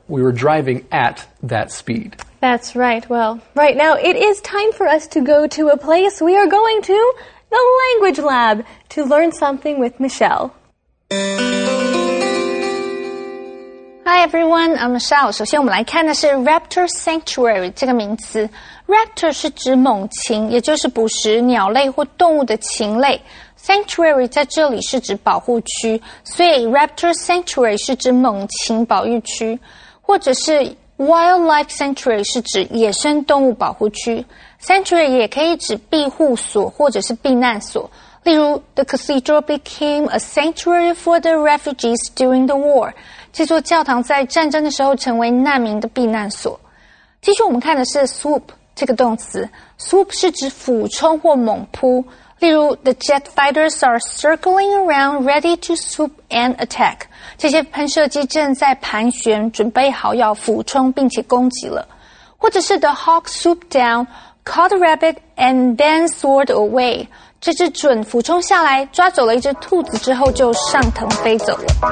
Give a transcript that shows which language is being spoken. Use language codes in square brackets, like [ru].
[en] We were driving at that speed. That's right. Well, right now it is time for us to go to a place. We are going to the Language Lab to learn something with Michelle. Hi everyone, I'm Michelle. [zh] 首先我们来看的是 Raptor Sanctuary 这个名词。 Raptor 是指猛禽，也就是捕食鸟类或动物的禽类。 Sanctuary 在这里是指保护区，所以 Raptor Sanctuary 是指猛禽保育区，或者是 Wildlife Sanctuary 是指野生动物保护区。 Sanctuary 也可以指庇护所或者是避难所。例如 [en] The cathedral became a sanctuary for the refugees during the war. [zh] 这座教堂在战争的时候成为难民的避难所。继续我们看的是 swoop 这个动词。swoop 是指俯冲或猛扑。例如 [en] The jet fighters are circling around ready to swoop and attack. [zh] 这些喷射机正在盘旋准备好要俯冲并且攻击了。或者是 [en] The hawk swooped down, caught a rabbit and then soared away. [zh] 这只隼俯冲下来抓走了一只兔子之后就上腾飞走了。